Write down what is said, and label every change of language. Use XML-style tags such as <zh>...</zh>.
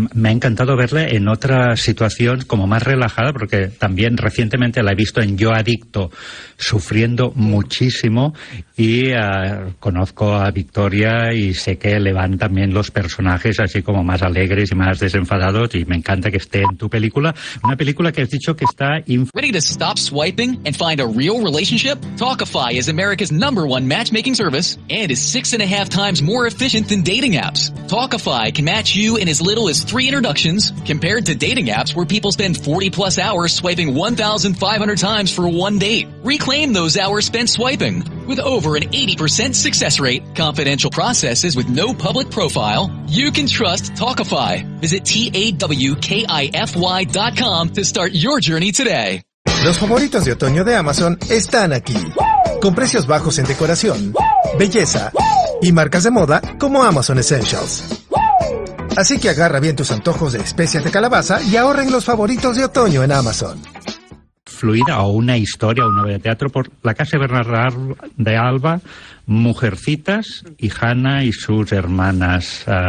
<es>Me ha encantado verla en otra situación, como más relajada, porque también recientemente la he visto en Yo Adicto, sufriendo muchísimo, y conozco a Victoria y sé que le van también los personajes así como más alegres y más desenfadados, y me encanta que esté en tu película. Una película que has dicho que está...</es> <en>Ready to stop swiping and find a real relationship? Talkify is America's number one matchmaking service and is 6.5 times more efficient than dating apps. Talkify can match you in as little as 3 introductions compared to dating apps where people spend 40 plus hours swiping 1,500 times for one date. Reclaim those hours spent swiping. With over an 80% success rate, confidential processes with no public profile, you can trust Talkify. Visit TAWKIFY.com to start your journey today.</en> <es>Los favoritos de otoño de Amazon están aquí. Con precios bajos en decoración, belleza y marcas de moda como Amazon Essentials. Así que agarra bien tus antojos de especias de calabaza y ahorren los favoritos de otoño en Amazon. Fluida o una historia, una obra de teatro por la casa de Bernarda de Alba, Mujercitas, y Hanna y sus hermanas.</es>